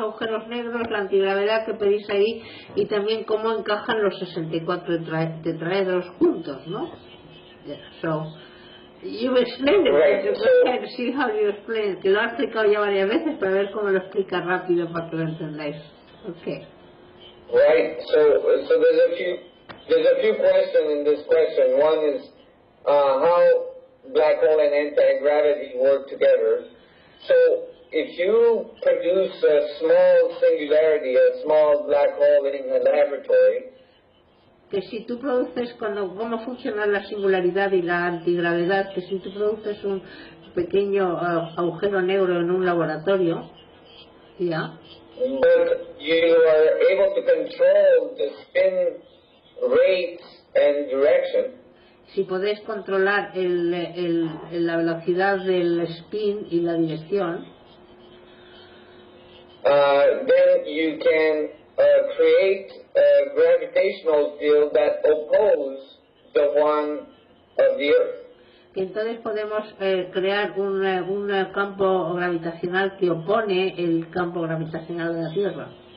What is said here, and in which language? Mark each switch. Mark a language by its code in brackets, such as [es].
[es] agujeros negros, la antigravedad que pedís ahí, y también cómo encajan los 64 tetraedros juntos, ¿no? [en] Yeah. So, you've explained it. Right. So, see how you explain it. [es] Que lo has explicado ya varias veces, para ver cómo lo explica rápido para que lo entendáis. [en] Okay. Right. So there's a few questions in this question. One is how black hole and anti-gravity work together. So if you produce a small singularity, a small black hole in a laboratory, [es] que si tú produces, cómo funciona la singularidad y la antigravedad, que si tú produces un pequeño agujero negro en un laboratorio, ya. [en] But you are able to control the spin rates and direction. [es] Si podés controlar la velocidad del spin y la dirección, [en] then you can create a gravitational field that opposes the one of the Earth. [es] Que entonces podemos crear un campo gravitacional que opone el campo gravitacional de la Tierra.